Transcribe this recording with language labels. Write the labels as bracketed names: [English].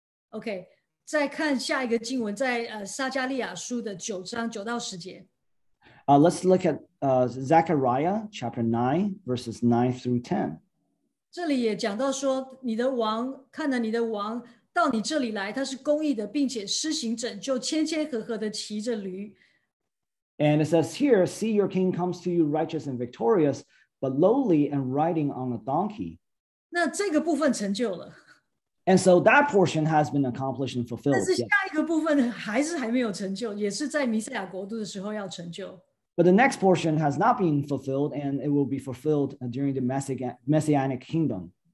[Chinese] Okay, 再看下一个经文，在撒迦利亚书的九章九到十节。 [English] Let's look at Zechariah chapter 9, verses 9 through 10. [Chinese] 这里也讲到说，你的王，看哪，你的王到你这里来，他是公义的，并且施行拯救，谦谦和和的骑着驴。 [English] And it says here, see your king comes to you righteous and victorious, but lowly and riding on a donkey. [Chinese] 那这个部分成就了。And [English] so that portion has been accomplished and fulfilled. [Chinese] 但是下一个部分还是还没有成就，也是在弥赛亚国度的时候要成就。 [English] But the next portion has not been fulfilled, and it will be fulfilled during the Messianic kingdom.